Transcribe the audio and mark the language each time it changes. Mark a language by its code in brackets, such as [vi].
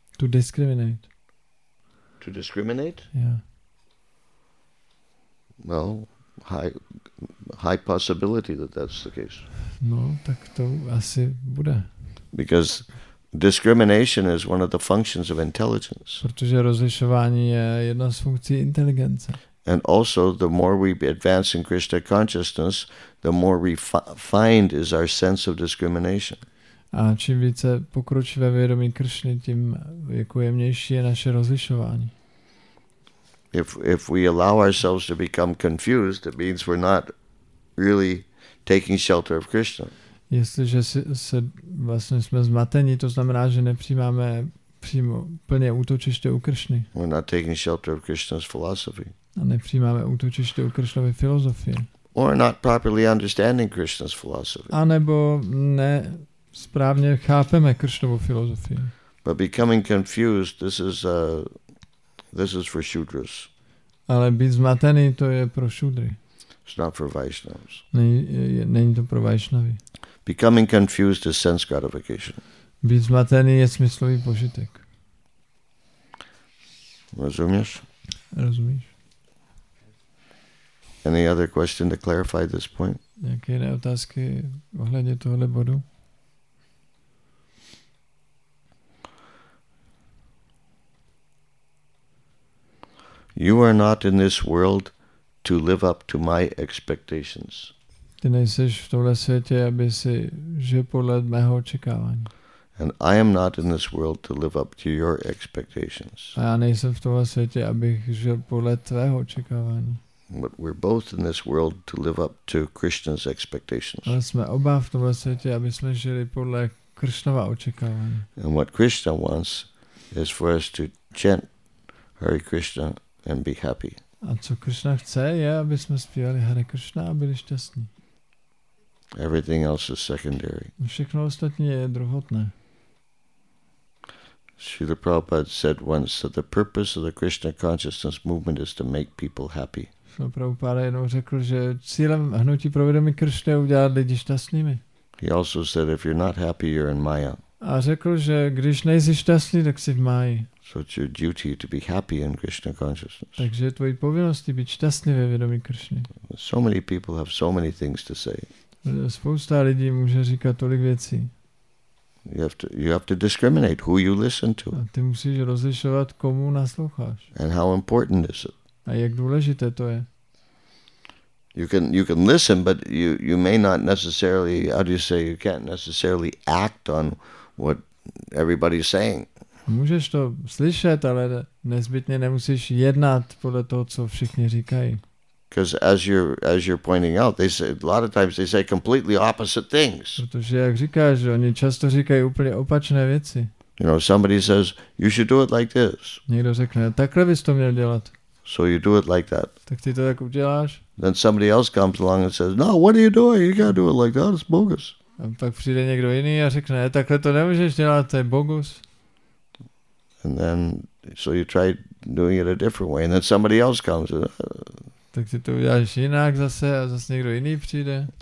[en] To discriminate. To discriminate? Yeah. Well, high possibility that that's the case. [cs] No, tak to asi bude. [en] Because discrimination is one of the functions of intelligence. [cs] Protože rozlišování je jedna z funkcí inteligence. [en] And also, the more we advance in Krishna consciousness, the more refined is our sense of discrimination. [cs] A čím více pokročí ve vědomí Krishny, tím jako jemnější je naše rozlišování. [en] If we allow ourselves to become confused, it means we're not really taking shelter of Krishna. [cs] Jestliže se vlastně jsme zmateni, to znamená, že nepřijímáme přímo plně útočiště u Krishny. [en] We're not taking shelter of Krishna's philosophy. [cs] A nepřijímáme útočiště u Krishnovy filozofie. [en] Or not properly understanding Krishna's philosophy. [cs] A nebo ne správně chápeme Krishnovu filozofii. [en] But becoming confused, this is for shudras. [cs] Ale být zmatený, to je pro šudry. [en] It's not for Vaishnavas. [cs] Není to pro Vaishnavy. [en] Becoming confused is sense gratification. [cs] Být zmatený je smyslový požitek. Rozumíš? Rozumíš. [en] Any other question to clarify this point? [cs] Jaké jiné otázky ohledně tohoto bodu? [en] You are not in this world to live up to my expectations. [cs] Ty nejseš v tomhle světě, aby si žil podle mého očekávání. [en] And I am not in this world to live up to your expectations. [cs] A já nejsem v tomhle světě, abych žil podle tvého očekávání. [en] But we're both in this world to live up to Krishna's expectations. [cs] Ale jsme oba v tomhle světě, aby jsme žili podle Krishnova očekávání. [en] And what Krishna wants is for us to chant Hare Krishna and be happy. [cs] A co Krishna chce, je, aby jsme zpívali Hare Krishna a byli šťastní. [en] Everything else is secondary. [cs] Všechno ostatní je druhotné. [en] Srila Prabhupada said once that the purpose of the Krishna consciousness movement is to make people happy. [cs] Srila Prabhupada jenom řekl, že cílem hnutí pro vědomí Krishna je udělat lidi šťastnými. [en] He also said, if you're not happy, you're in Maya. [cs] A řekl, že když nejsi šťastný, tak jsi v Maji. [en] So it's your duty to be happy in Krishna consciousness. [cs] Takže je tvojí povinností být šťastný ve vědomí Krishna. [en] So many people have so many things to say. [cs] Spousta lidí může říkat tolik věcí. [en] You have to discriminate who you listen to. [cs] A ty musíš rozlišovat, komu nasloucháš. [en] And how important is it? [cs] A jak důležité to je? [en] You can listen, but you may not necessarily, how do you say, you can't necessarily act on what everybody's saying. [cs] Můžeš to slyšet, ale nezbytně nemusíš jednat podle toho, co všichni říkají. [en] Because as you're pointing out, they say a lot of times they say completely opposite things. [cs] Protože jak říkáš, oni často říkají úplně opačné věci. [en] You know, somebody says you should do it like this. [cs] Někdo řekne, takhle bys to měl dělat. [en] So you do it like that. [cs] Tak ty to tak uděláš. [en] Then somebody else comes along and says, no, what are you doing? You gotta do it like that. It's bogus. [cs] A pak přijde někdo jiný a řekne, takhle to nemůžeš dělat, to je bogus. [en] And then so you try doing it a different way, and then somebody else comes. [cs] Tak si to uděláš jinak zase a zase někdo jiný přijde.